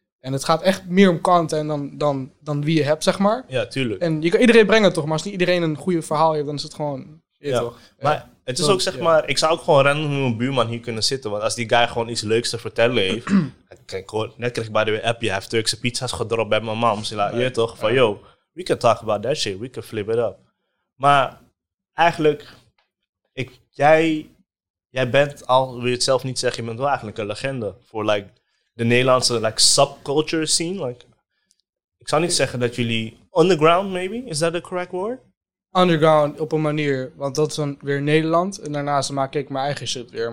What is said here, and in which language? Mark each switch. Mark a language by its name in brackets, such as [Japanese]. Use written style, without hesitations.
[Dutch] En het gaat echt meer om content dan wie je hebt, zeg maar. Ja, tuurlijk. En je kan iedereen brengen, toch? Maar als niet iedereen een goede verhaal heeft, dan is het gewoon... Ja, maar het is ook, zeg maar, ik zou ook gewoon random met mijn buurman hier kunnen zitten. Want als die guy gewoon iets leuks te vertellen heeft. net kreeg ik bij de appje, hij heeft Turkse pizza's gedropt bij mijn mam. Ze laat je toch van, [English] yo, we can talk about that shit, we can flip it up. [Dutch] Maar eigenlijk, jij bent al, wil je het zelf niet zeggen, je bent wel eigenlijk een legende. Voor like de Nederlandse like, subculture scene. [English] Like, [Dutch] ik zou niet zeggen dat jullie [English] underground maybe, is that the correct word? [Dutch] Underground op een manier, want dat is dan weer Nederland. En daarnaast maak ik mijn eigen shit weer.